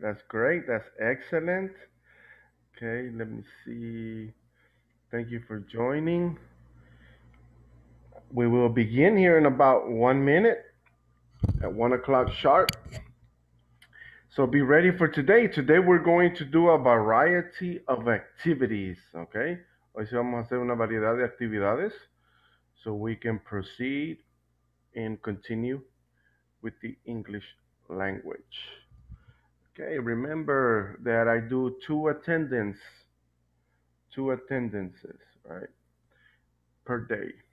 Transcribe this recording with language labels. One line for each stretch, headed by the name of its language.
English: That's great. That's excellent. Okay, let me see. Thank you for joining. We will begin here in about 1 minute. At 1 o'clock sharp. So be ready for today. Today we're going to do a variety of activities. Okay.
Spanish: Hoy sí vamos a hacer una variedad de actividades.
English: So we can proceed and continue with the English language. Okay. Remember that I do two attendances, right, per day.